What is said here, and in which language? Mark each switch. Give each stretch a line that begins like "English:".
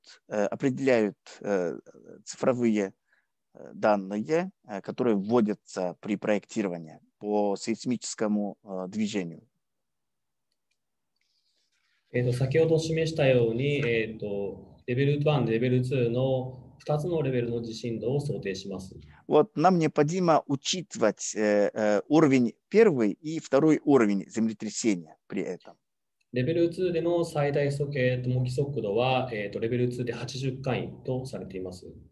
Russian: Определяют цифровые. Данные, которые вводятся при проектировании по сейсмическому движению.
Japanese: 先ほど示したように、レベル1、レベル2の2つのレベルの地震度を想定します。
Russian: Вот, нам необходимо учитывать уровень первый и второй уровень землетрясения при этом.
Japanese: レベル2での最大速、模擬速度は、レベル2で80回とされています。